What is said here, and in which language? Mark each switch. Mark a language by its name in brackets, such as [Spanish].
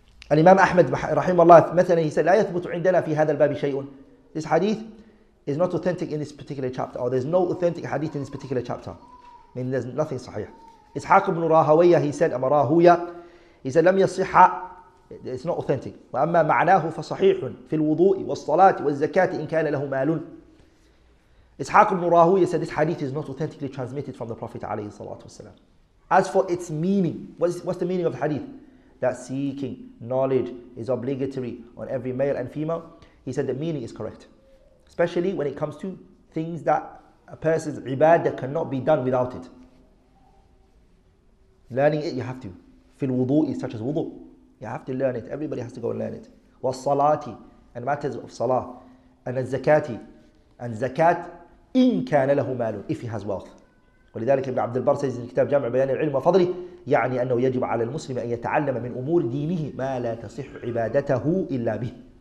[English] Al-Imam Ahmad, rahimahullah, [Arabic] مثلا, [English] he said, [Arabic] لا يثبت عندنا في هذا الباب شيء. [English] This hadith is not authentic in this particular chapter. Or there's no authentic hadith in this particular chapter. I mean, there's nothing sahih. Ishaq ibn Rahawiyah, he said, أمراهويا, he said, [Arabic] لم يصح. [English] It's not authentic. [Arabic] وأما معناه فصحيح في الوضوء والصلاة والزكاة إن كان له مال. [English] Ishaq ibn Rahuya said this hadith is not authentically transmitted from the Prophet عليه الصلاة والسلام. As for its meaning, what's the meaning of the hadith? That seeking knowledge is obligatory on every male and female. He said the meaning is correct. Especially when it comes to things that a person's ibadah cannot be done without it. Learning it, you have to. Fil wudu is such as wudu. You have to learn it. Everybody has to go and learn it. Was salati and matters of salah. And al zakati. And zakat in kana lahu malun, if he has wealth. [Arabic] ولذلك ابن عبد البر says in كتاب جامع بيان العلم وفضله يعني أنه يجب على المسلم أن يتعلم من أمور دينه ما لا تصح عبادته إلا به.